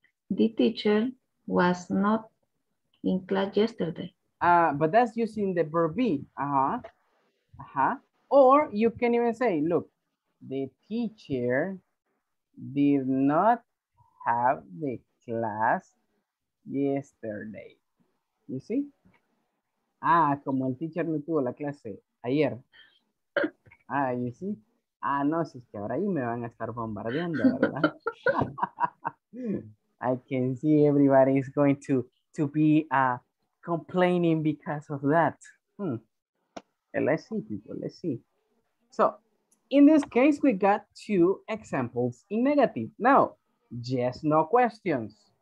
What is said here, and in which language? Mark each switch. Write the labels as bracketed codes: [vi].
[en] The teacher was not in class yesterday. But that's using the verb be. Uh-huh. Uh-huh. Or you can even say, look, the teacher did not have the class yesterday. You see? [es] Ah, como el teacher no tuvo la clase ayer. Ah, [en] you see? [es] Ah, no, si es que ahora ahí me van a estar bombardeando, ¿verdad? [en] I can see everybody is going to be complaining because of that. Let's see, people, let's see. So, in this case, we got two examples in negative. Now, yes, no questions.